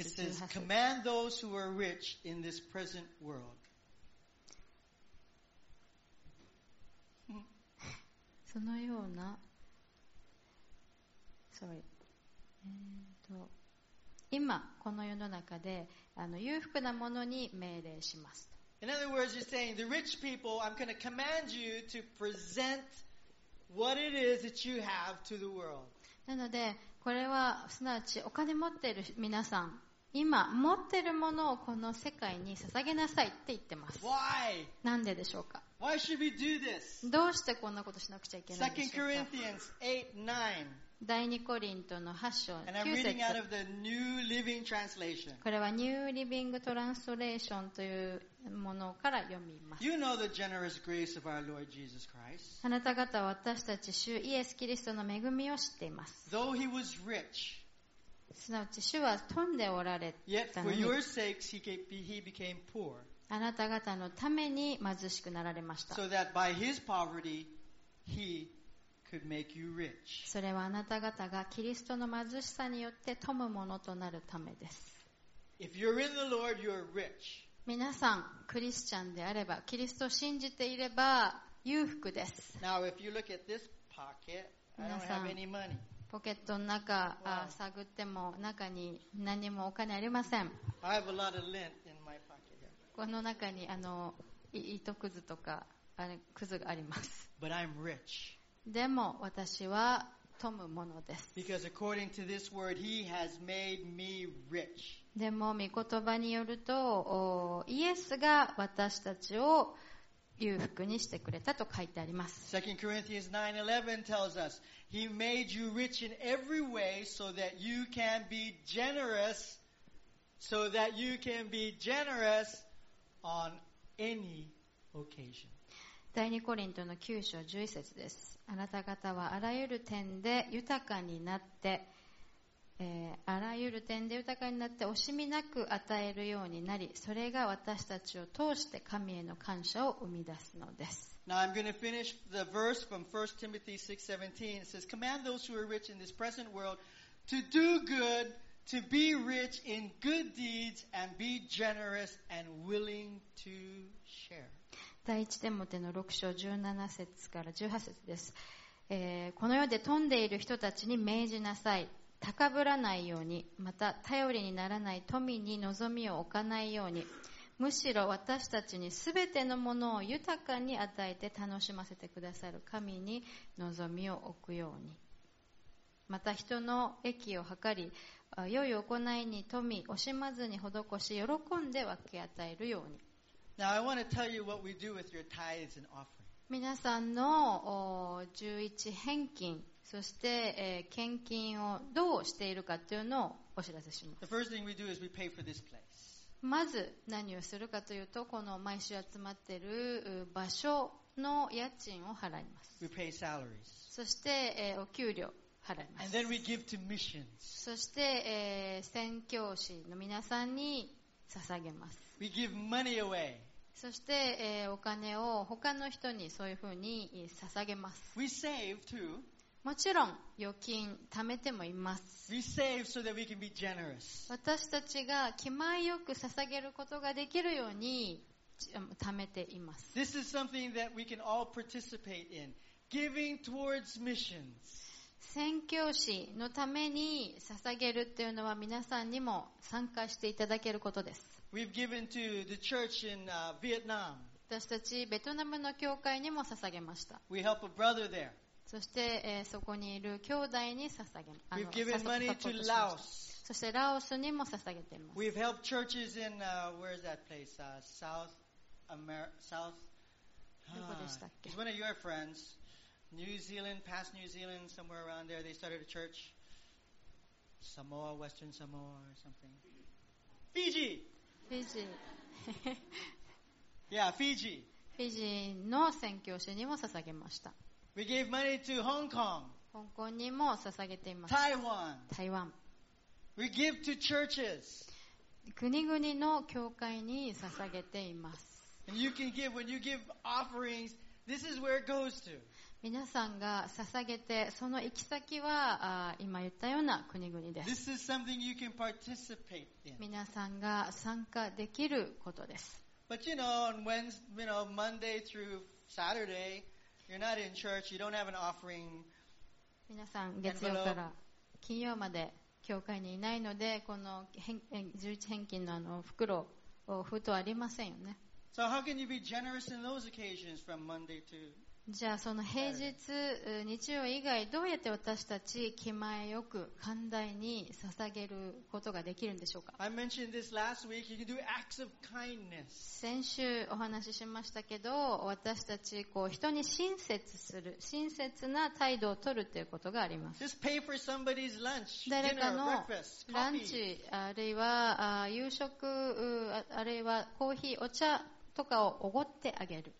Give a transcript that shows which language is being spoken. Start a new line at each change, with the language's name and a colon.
English: It says, command those who are rich in this present world.
Japanese: そのような
English: Sorry.
Japanese: 今この世の中であの裕福なものに命令しますと。
English: In other words, you're saying the rich people, I'm going to command you to present what it is that you have to the world.
Japanese: なのでこれはすなわちお金持っている皆さん、今持っているものをこの世界に捧げなさいって言ってます。
English: Why?
Japanese: なんででしょうか。
English: Why should we do this?
Japanese: どうしてこんなことしなくちゃいけないんでしょうか。
English: 2 Corinthians 8:9
Japanese: 第二コリントの8章9節
English: And I'm reading out of the New Living Translation.
Japanese: これはニューリビングトランスレーションというものから読みます。
English: You know the generous grace of our Lord Jesus Christ.
Japanese: あなた方は私たち主イエス・キリストの恵みを知っています。
English: Though he was rich,
Japanese: すなわち主は富んでおられたのに、
English: yet for your sakes he became poor.
Japanese: あなた方のために貧しくなられました。
English: So that by his poverty he Could make you rich.
Japanese: それはあなた方がキリストの貧しさによって富むものとなるためです。
English: If you're in the Lord, you're rich.
Japanese: 皆さん、クリスチャンであれば、キリストを信じていれば裕福です。
English: Now, if you look at this pocket, I don't have any money.
Japanese: ポケットの中、
English: wow.
Japanese: 探っても中に何もお金ありません。
English: I have a lot of lint in my pocket.
Japanese: この中にあの糸くずとかあれくずがあります。
English: But I'm rich.
Japanese: でも私は富むものです。
English: Because according to this word, he has made me rich.
Japanese: でも御言葉によると、イエスが私たちを裕福にしてくれたと書いてあります。
English: 2 Corinthians 9:11 tells us, He made you rich in every way so that you can be generous, so that you can be generous on any occasion.
Japanese: 第2コリントの9章11節です。あなた方はあらゆる点で豊かになって、あらゆる点で豊かになって惜しみなく与えるようになり、それが私たちを通して神への感謝を生み出すのです。
English: Now I'm going to finish the verse from 1 Timothy 6:17. It says, Command those who are rich in this present world to do good, to be rich in good deeds, and be generous and willing to share.
Japanese: 第一テモテの6章17節から18節です、この世で富んでいる人たちに命じなさい高ぶらないようにまた頼りにならない富に望みを置かないようにむしろ私たちにすべてのものを豊かに与えて楽しませてくださる神に望みを置くようにまた人の益を図り、良い行いに富み、惜しまずに施し、喜んで分け与えるように。
English: Now I want to tell you what we do with your tithes and offering.
Japanese: 皆さんの11返金、そして献金をどうしているかというのをお知らせします。
English: The first thing we do is we pay for this place.
Japanese: まず何をするかというと、この毎週集まっている場所の家賃を払います。
English: We pay salaries.
Japanese: そしてお給料。
English: And then we give to missions.
Japanese: そして、宣教師の皆さんに捧げます。
English: We give money away.
Japanese: そして、お金を他の人にそういうふうに捧げます。
English: We save too.
Japanese: もちろん預金貯めてもいます。
English: We save so that we can be generous.
Japanese: 私たちが気前よく捧げることができるように貯めています。
English: This is something that we can all participate in. Giving towards missions.
Japanese: 宣教師のために捧げるっていうのは皆さんにも参加していただけることです。
English: We've given to the church in Vietnam.
Japanese: 私たちベトナムの教会にも捧げました。
English: We help a brother there.
Japanese: そして、そこにいる兄弟に捧げ、
English: We've given money to Laos.
Japanese: そしてラオスにも捧げています。
English: We've helped churches in where is that place? South America. South.
Japanese: どこでしたっけ?
English: It's one of your friends. New Zealand, past New Zealand, somewhere around there, they started a church. Samoa, Western Samoa or something. Fiji! Fiji. yeah, Fiji.
Japanese: Fiji の宣教師にも捧げました。
English: We gave money to Hong Kong.
Japanese: 香港にも捧げています。
English: Taiwan.
Japanese: 台湾。
English: We give to churches.
Japanese: 国々の教会に捧げています。
English: And you can give, when you give offerings, this is where it goes to.
Japanese: 皆さんが捧げてその行き先は今言ったような国々です。
English: This is something you can participate in.
Japanese: 皆さんが参加できることです。
English: But you know, on Wednesday, you know, Monday through Saturday, you're not in church, you don't have an offering envelope.
Japanese: 皆さん月曜から金曜まで教会にいないので、この11返金 の袋を封筒ありませんよね。
English: So how can you be generous in those occasions from Monday to...
Japanese: じゃあその平日、日曜以外どうやって私たち気前よく寛大に捧げることができるんでしょうか。
English: I mentioned this last week. You can do acts of kindness.
Japanese: 先週お話ししましたけど、私たちこう人に親切する親切な態度を取るということがあります。
English: Just pay for somebody's lunch, dinner, breakfast, coffee.
Japanese: 誰かのランチあるいは夕食あるいはコーヒーお茶とかをおごってあげる。